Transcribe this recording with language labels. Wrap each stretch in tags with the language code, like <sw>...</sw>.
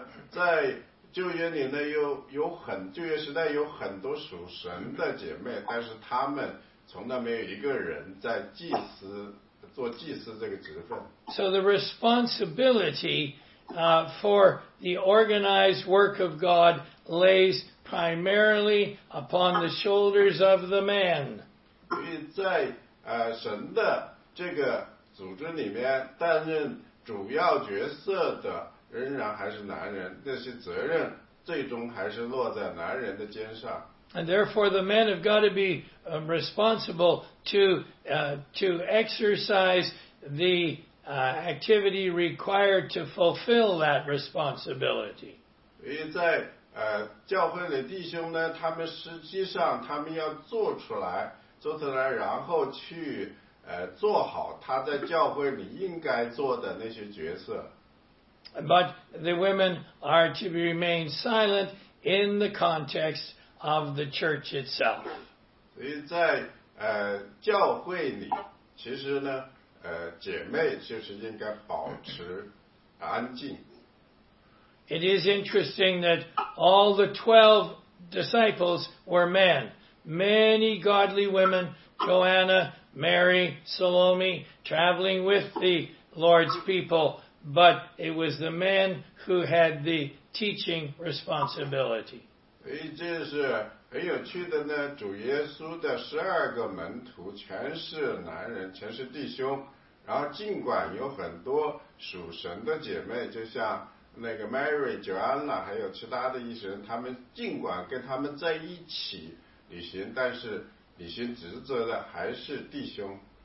<zh>在旧约里呢，旧约时代有很多属神的姐妹，但是他们从来没有一个人在祭司。做祭司这个职分。</zh> <en>So the responsibility for the organized work of God lays primarily upon the shoulders of the man.</en> <zh>在神的这个组织里面担任主要角色的仍然还是男人，那些责任最终还是落在男人的肩上。</zh> <en>And therefore, the men have got to be responsible to exercise the activity required to fulfill that responsibility.</en> <zh>因为在教会的弟兄呢，他们实际上他们要做出来，然后去做好他在教会里应该做的那些角色。</zh> <en>But the women are to remain silent in the context. Of the church itself.</en> <zh>所以在教会里，其实呢，姐妹就是应该保持安静。</zh> <en>It is interesting that all the 12 disciples were men. Many godly women, Joanna, Mary, Salome, traveling with the Lord's people, but it was the men who had the teaching responsibility.</en> <zh>所以这是很有趣的呢，主耶稣的十二个门徒全是男人，全是弟兄，然后尽管有很多属神的姐妹，就像那个 Mary、Joanna 还有其他的一些人，他们尽管跟他们在一起旅行，但是旅行职责的还是弟兄。</zh>